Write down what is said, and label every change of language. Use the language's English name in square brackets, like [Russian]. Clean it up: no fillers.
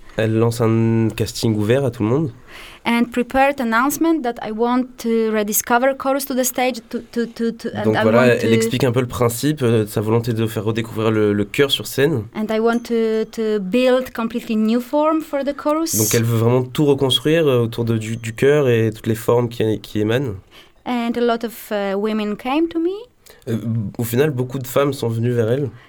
[French] Elle lance un casting ouvert à tout le monde. [English] And prepared announcement that I want to rediscover chorus to the stage. [French] Elle explique un peu le principe, sa volonté de faire redécouvrir le chœur sur scène. [English] And I want to build completely new form for the chorus. [French] Donc elle veut vraiment tout reconstruire autour du chœur et toutes les formes qui émanent. [English] And a lot of women came to me. [French] Au final, beaucoup de femmes sont venues vers elle.